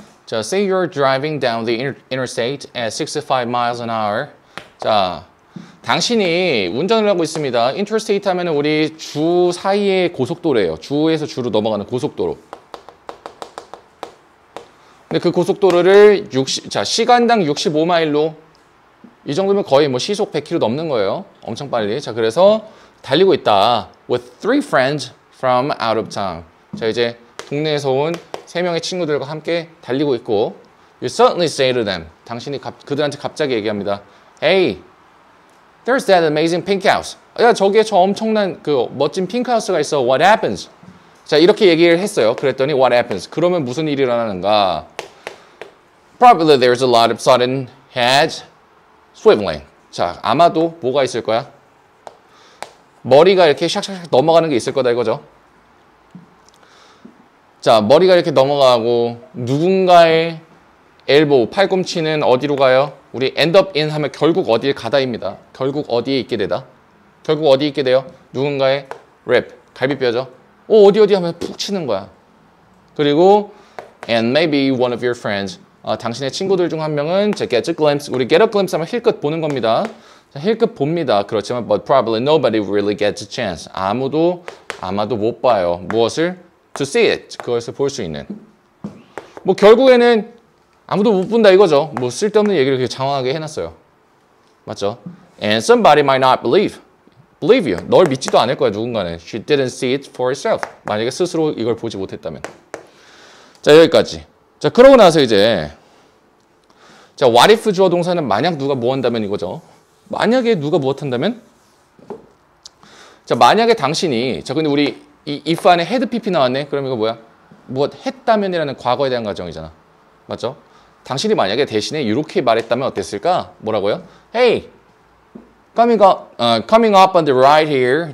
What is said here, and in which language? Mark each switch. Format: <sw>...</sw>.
<en>자, say you're driving down the interstate at 65 miles an hour.</en> <ko>자, 당신이 운전을 하고 있습니다. Interstate 하면 우리 주 사이의 고속도로예요. 주에서 주로 넘어가는 고속도로. 근데 그 고속도로를 시간당 65마일로 이 정도면 거의 뭐 시속 100km 넘는 거예요. 엄청 빨리. 자, 그래서 달리고 있다.</ko> <en>With three friends from out of town.</en> <ko>자, 이제 동네에서 온 세 명의 친구들과 함께 달리고 있고.</ko> <en>You suddenly say to them.</en> <ko>당신이 그들한테 갑자기 얘기합니다.</ko> <en>Hey, there's that amazing pink house.</en> <ko>야, 저기에 저 엄청난 그 멋진 핑크 하우스가 있어.</ko> <en>What happens?</en> <ko>자, 이렇게 얘기를 했어요. 그랬더니</ko> <en>what happens?</en> <ko>그러면 무슨 일이 일어나는가?</ko> <en>Probably there's a lot of sudden head swiveling.</en> <ko>자, 아마도 뭐가 있을 거야? 머리가 이렇게 샥샥샥 넘어가는 게 있을 거다 이거죠. 자, 머리가 이렇게 넘어가고 누군가의 엘보, 팔꿈치는 어디로 가요? 우리</ko> <en>end up in</en> <ko>하면 결국 어디에 가다입니다. 결국 어디에 있게 되다. 결국 어디에 있게 돼요? 누군가의 rib, 갈비뼈죠. 오, 어디 어디 하면 푹 치는 거야. 그리고</ko> <en>and maybe one of your friends,</en> <ko>당신의 친구들 중 한 명은</ko> <en>get a glimpse,</en> <ko>우리</ko> <en>get a glimpse</en> <ko>하면 힐끗 보는 겁니다. 자, 힐끗 봅니다. 그렇지만</ko> <en>but probably nobody really gets a chance.</en> <ko>아무도 아마도 못 봐요. 무엇을?</ko> <en>To see it,</en> <ko>그것을 볼 수 있는. 뭐 결국에는 아무도 못 본다 이거죠. 뭐 쓸데없는 얘기를 그렇게 장황하게 해놨어요. 맞죠?</ko> <en>And somebody might not believe you.</en> <ko>널 믿지도 않을 거야 누군가는.</ko> <en>She didn't see it for herself.</en> <ko>만약에 스스로 이걸 보지 못했다면. 자, 여기까지. 자, 그러고 나서 이제 자,</ko> <en>what if</en> <ko>주어 동사는 만약 누가 뭐 한다면 이거죠. 만약에 누가 무엇 한다면? 자, 만약에 당신이 자, 근데 우리 이 if 안에 had pp 나왔네. 그럼 이거 뭐야? 무엇 했다면이라는 과거에 대한 가정이잖아. 맞죠? 당신이 만약에 대신에 이렇게 말했다면 어땠을까? 뭐라고요?</ko> <en>Hey, coming up on the right here.</en>